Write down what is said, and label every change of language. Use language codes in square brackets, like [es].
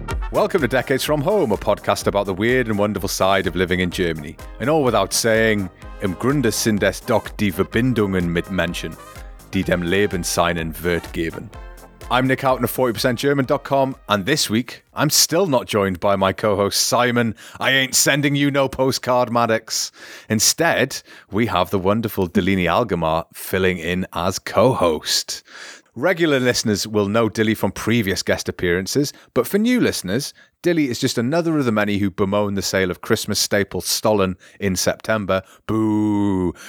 [en] Welcome to Decades From Home, a podcast about the weird and wonderful side of living in Germany. And all without saying, [de] im Grunde sind es doch die Verbindungen mit Menschen, die dem Leben seinen Wert geben. [en] I'm Nick Houghton of 40%German.com, and this week, I'm still not joined by my co-host Simon. I ain't sending you no postcard, Maddox. Instead, we have the wonderful Delini Algemar filling in as co-host. Regular listeners will know Dilly from previous guest appearances, but for new listeners, Dilly is just another of the many who bemoan the sale of Christmas staple Stollen in September. Boo!